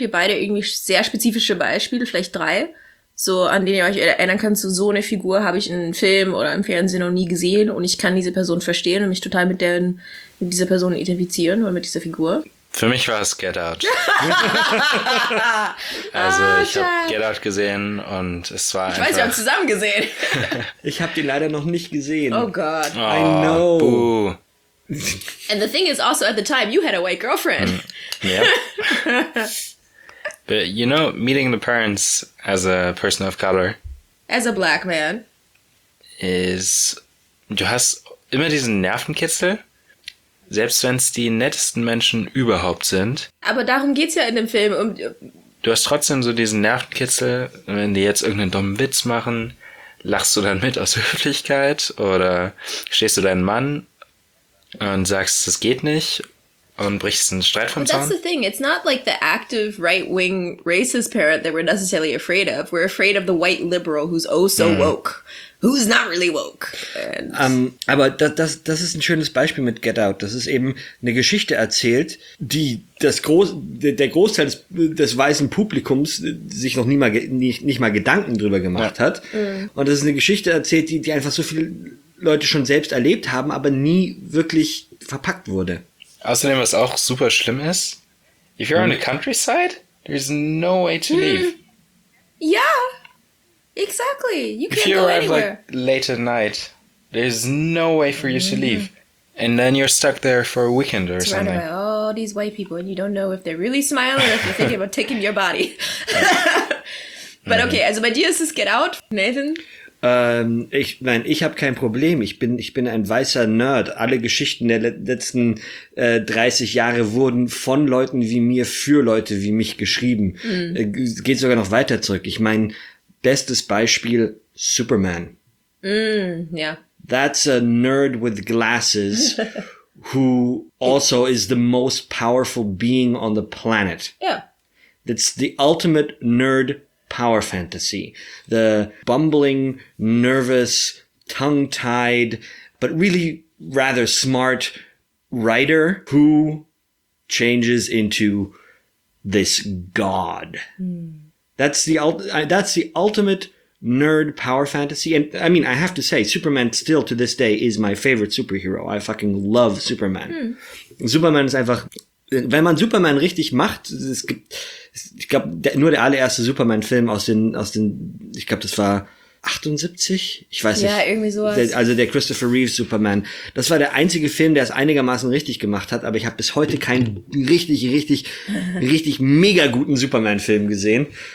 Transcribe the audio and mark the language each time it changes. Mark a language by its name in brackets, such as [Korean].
[German] Wir beide irgendwie sehr spezifische Beispiele, vielleicht 3, so an denen ihr euch erinnern könnt, so eine Figur habe ich in einem Film oder im Fernsehen noch nie gesehen und ich kann diese Person verstehen und mich total mit dieser Person identifizieren oder mit dieser Figur. Für mich war es Get Out. Also ich habe Get Out gesehen und es war einfach... Ich weiß, wir haben zusammen gesehen. Ich habe den leider noch nicht gesehen. Oh Gott. [English] Oh, I know. Boo. And the thing is also at the time, you had a white girlfriend. Yeah. But you know, meeting the parents as a person of color... As a black man. Is... [German] Du hast immer diesen Nervenkitzel... Selbst wenn es die nettesten Menschen überhaupt sind. Aber darum geht's ja in dem Film. Du hast trotzdem so diesen Nervenkitzel, wenn die jetzt irgendeinen dummen Witz machen, lachst du dann mit aus Höflichkeit oder stehst du deinen Mann und sagst, das geht nicht und brichst einen Streit vom Zaun? [English] That's the thing. It's not like the active right-wing racist parent that we're necessarily afraid of. We're afraid of the white liberal who's oh so woke. Who's not really woke? [German] Aber das ist ein schönes Beispiel mit Get Out. Das ist eben eine Geschichte erzählt, die der Großteil des weißen Publikums sich noch nicht mal Gedanken drüber gemacht hat. Mhm. Und das ist eine Geschichte erzählt, die einfach so viele Leute schon selbst erlebt haben, aber nie wirklich verpackt wurde. Außerdem, was auch super schlimm ist, [English] if you're on the countryside, there's no way to leave. Yeah. Exactly. You can't go anywhere. If you arrive like late at night, there's no way for you to leave. And then you're stuck there for a weekend or surrounded something. Surrounded by all these white people and you don't know if they're really smiling or if they're thinking about taking your body. But okay, [German] also bei dir ist es Get Out, Nathan? Ich habe kein Problem. Ich bin ein weißer Nerd. Alle Geschichten der letzten 30 Jahre wurden von Leuten wie mir für Leute wie mich geschrieben. Geht sogar noch weiter zurück. Ich meine, bestes Beispiel, Superman. [English] That's a nerd with glasses who also is the most powerful being on the planet. Yeah. That's the ultimate nerd power fantasy. The bumbling, nervous, tongue-tied, but really rather smart writer who changes into this god. That's the ultimate nerd power fantasy. And I mean, I have to say, Superman still to this day is my favorite superhero. I fucking love Superman. Hmm. [German] Superman ist einfach, wenn man Superman richtig macht, es gibt, ich glaube, nur der allererste Superman-Film aus den, ich glaube, das war 78? Ich weiß ja, nicht. Ja, irgendwie sowas. Der Christopher Reeves Superman. Das war der einzige Film, der es einigermaßen richtig gemacht hat, aber ich habe bis heute keinen richtig, richtig, richtig mega guten Superman-Film gesehen.